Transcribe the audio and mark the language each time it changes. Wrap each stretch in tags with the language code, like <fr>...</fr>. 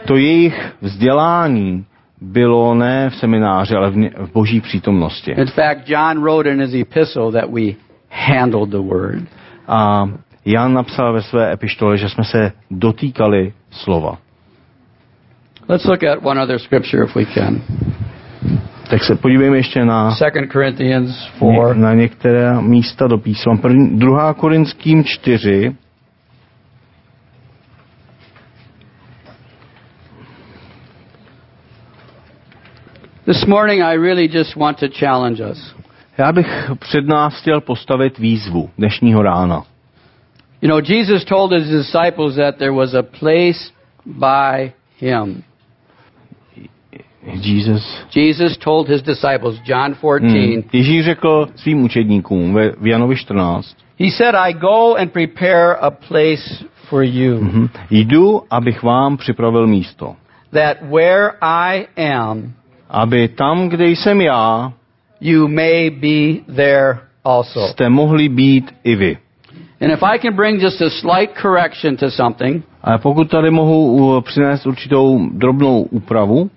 <cs>To jejich vzdělání bylo ne v semináři, ale v Boží přítomnosti.</cs> <en>In fact, John wrote in his epistle that we handled the word.</en> <cs>A Jan napsal ve své epištole, že jsme se dotýkali slova.</cs> <en>Let's look at one other scripture if we can.</en> <cs>Tak se podívejme ještě na</cs> <en>2 Corinthians 4.</en> <cs>Na některé místa do písma. 2. Korinským 4.</cs> <en>This morning I really just want to challenge us.</en> <cs>Já bych před nás chtěl postavit výzvu dnešního rána.</cs> <en>You know, Jesus told his disciples that there was a place by him. Jesus told his disciples, John 14.</en> <cs>Ježíš řekl svým učedníkům v Janovi 14.</cs> <en>He said, I go and prepare a place for you.</en> <cs>Jdu, abych vám připravil místo.</cs> <en>That where I am,</en> <cs>aby tam, kde jsem já,</cs> <en>you may be there also.</en> <cs>Jste mohli být i vy.</cs> <en>And if I can bring just a slight correction to something,</en> <cs>a pokud tady mohu přinést určitou drobnou úpravu,</cs>